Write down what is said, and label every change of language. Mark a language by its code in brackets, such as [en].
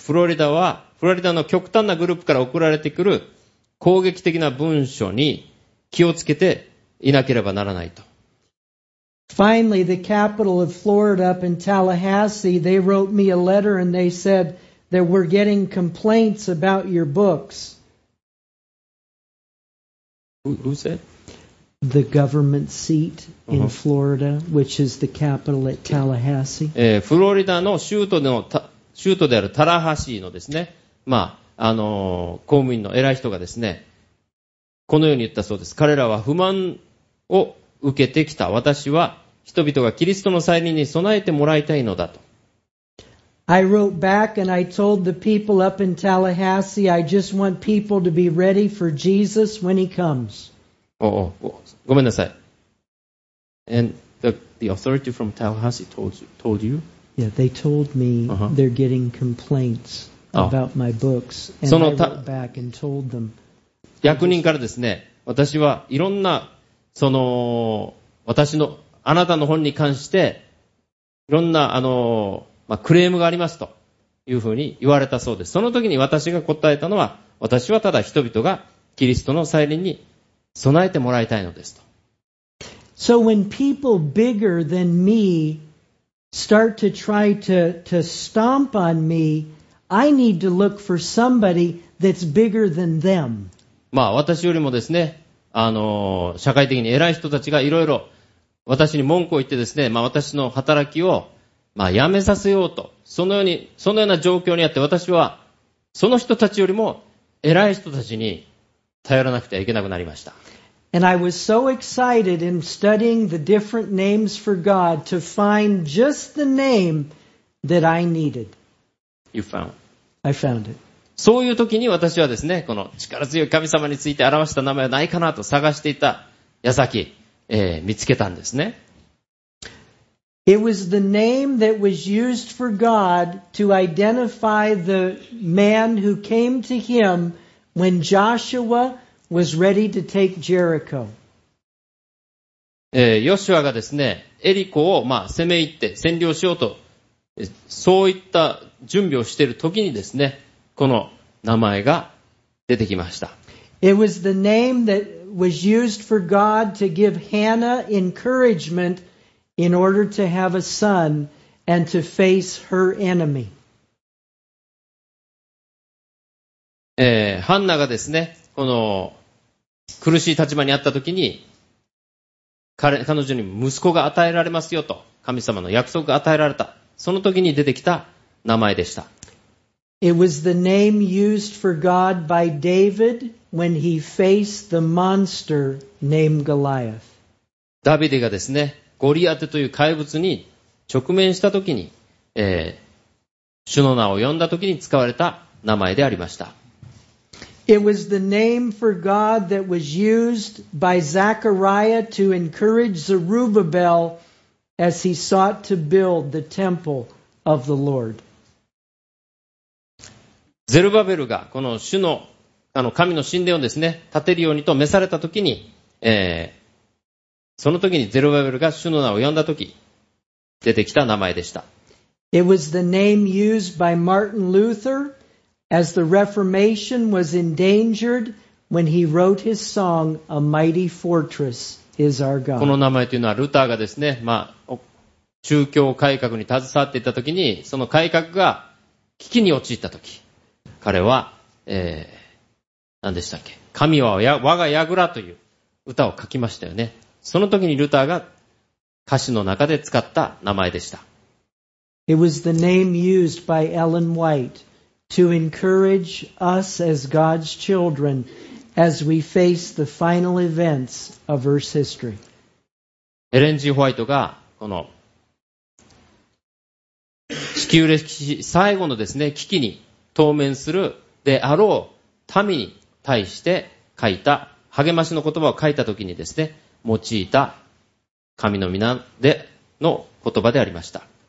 [ja] フロリダは、フロリダの極端なグループから送られてくる攻撃的な文書に気をつけていなければならないと。 [en] Finally, the capital of Florida up in Tallahassee, they wrote me a letter and they said that we're getting complaints about your books. Who said? The government seat in Florida, which is the capital at Tallahassee. [ja] フロリダの州都であるタラハシーのですね、まあ、公務員の偉い人がですね、このように言ったそうです。彼らは不満を受けてきた。私は人々がキリストの再臨に備えてもらいたいのだと。 [en] I wrote back and I told the people up in Tallahassee, I just want people to be ready for Jesus when he comes. [ja] Oh, ごめんなさい。 [en] And the authority from Tallahassee told you? Yeah, they told me they're getting complaints about my books. And I wrote back and told them. [ja] 役人からですね、私はいろんな、その、私の、あなたの本に関して、いろんな、クレームがありますというふうに言われたそうです。その時に私が答えたのは、私はただ人々がキリストの再臨に備えてもらいたいのですと。 [en] So when people bigger than me start to try to stomp on me, I need to look for somebody that's bigger than them. [ja] まあ私よりもですね、社会的に偉い人たちがいろいろ私に文句を言ってですね、まあ私の働きをまあ、やめさせようと。そのような状況にあって、私は、その人たちよりも、偉い人たちに、頼らなくてはいけなくなりました。 [en] And I was so excited in studying the different names for God to find just the name that I needed. You found. I found it. [ja] そういう時に私はですね、この力強い神様について表した名前はないかなと探していた矢先、見つけたんですね。 [en] It was the name that was used for God to identify the man who came to him when Joshua was ready to take Jericho. [ja] ヨシュアがですね、エリコを、まあ、攻め入って占領しようと、そういった準備をしている時にですね、この名前が出てきました。 [en] It was the name that was used for God to give Hannah encouragement in order to have a son and to face her enemy. [ja] ハンナがですね、この苦しい立場にあったときに、彼女に息子が与えられますよと、神様の約束が与えられた。そのときに出てきた名前でした。 [en] It was the name used for God by David when he faced the monster named Goliath. [ja] ダビデがですね、ゴリアテという怪物に直面したときに、主の名を呼んだときに使われた名前でありました。 [en] It was the name for God that was used by Zechariah to encourage Zerubbabel as he sought to build the temple of the Lord. [ja] ゼルバベルがこの主の、神の神殿をですね、建てるようにと召されたときに、その時にゼロバベルが主の名を呼んだ時出てきた名前でした。 [en] It was the name used by Martin Luther as the Reformation was endangered when he wrote his song A Mighty Fortress is Our God. [ja] この名前というのはルターがですね、まあ宗教改革に携わっていた時にその改革が危機に陥った時、彼は、何でしたっけ、神は我が櫓という歌を書きましたよね。その時にルターが歌詞の中で使った名前でした。 [en] It was the name used by Ellen White to encourage us as God's children as we face the final events of Earth's history. [ja] エレン・G・ホワイトがこの地球歴史最後のですね、危機に当面するであろう民に対して書いた励ましの言葉を書いた時にですね、用いた神の御名での言葉でありました。